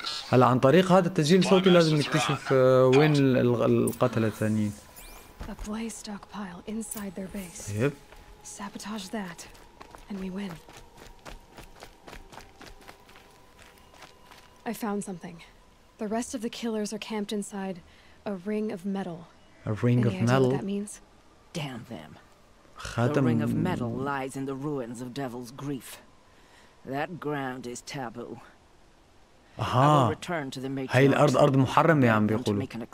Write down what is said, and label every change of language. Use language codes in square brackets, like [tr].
[ar] هلا عن طريق هذا التسجيل الصوتي لازم نكتشف وين القتلة الثانيين. [en] A blaze stockpile inside their base. [ar] طيب. [en] Sabotage that. And we win. I found something. The rest of the killers are camped inside a ring of metal. A ring Any of metal. That means? Damn them. The ring of metal lies in the ruins of Devil's Grief. That ground is taboo. [ar] اها هاي الارض ارض محرمه عم بيقولوا